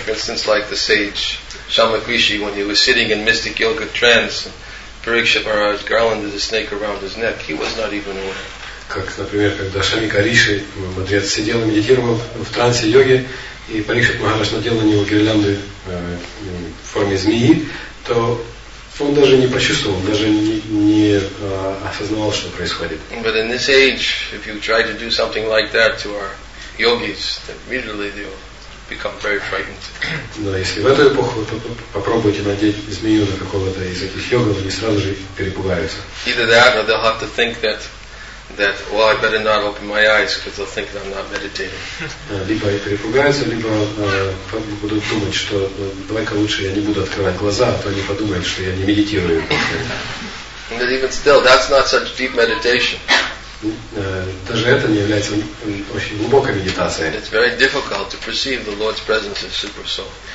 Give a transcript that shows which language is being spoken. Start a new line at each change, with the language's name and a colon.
English: For instance, like the sage Shamakrishi, when he was sitting in mystic yoga trance, Pariksha Maharaj garlanded a snake around his neck, he was not even aware.
Russian: Как, например, когда Шамикариши, мудрец, сидел и медитировал в трансе йоги, и Парикшит Махараш надел на него гирлянды в форме змеи, то он даже не почувствовал, даже не осознавал, что происходит.
English: But in this age, if you try to do something like that to our yogis, then immediately they will become very frightened.
Russian: Но если в эту эпоху попробуйте надеть змею на какого-то из этих йогов, они сразу же перепугаются.
English: Either that, or they'll have to think that well, I better not open my eyes because they'll think that I'm not meditating.
Russian: Либо они перепугаются, либо будут думать, что давай-ка лучше я не буду открывать глаза, а то они подумают, что я не медитирую.
English: But even still, that's not such deep meditation.
Russian: Даже это не является очень глубокой медитацией.
English: It's very difficult to perceive the Lord's presence as super soul.